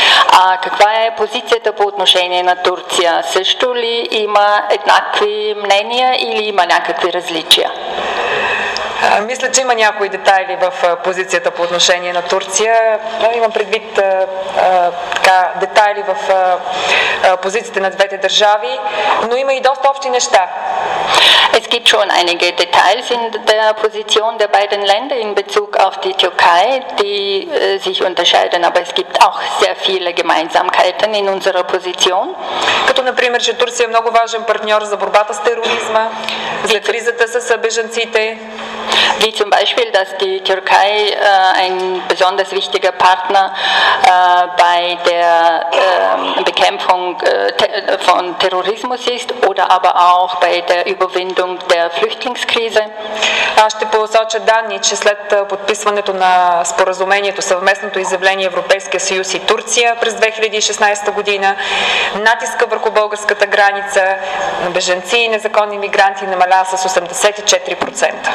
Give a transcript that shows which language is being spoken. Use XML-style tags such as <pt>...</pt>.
<bg>А каква е позицията по отношение на Турция? Също ли има еднакви мнения или има някакви различия? Мисля, че има някои детайли в позицията по отношение на Турция. Имам предвид така, детайли в позицията на двете държави, но има и доста общи неща.</bg> <de>Es gibt schon einige Details in der Position der beiden Länder in Bezug auf die Türkei, die sich unterscheiden, aber es gibt auch sehr viele Gemeinsamkeiten in unserer Position.</de> <bg>Като, например, че Турция е много важен партньор за борбата с тероризма, за кризата с бежанците.</bg> <de>Wie zum Beispiel, dass die Türkei ein besonders wichtiger Partner bei der Bekämpfung von Terrorismus ist oder aber auch bei der Überwindung der Flüchtlingskrise.</de> <bg>Аз ще посоча данни, че след подписването на споразумението, съвместното изявление Европейския съюз и Турция през 2016 година, натиска върху българската граница на бежанци и незаконни мигранти намаля с 84%.</bg>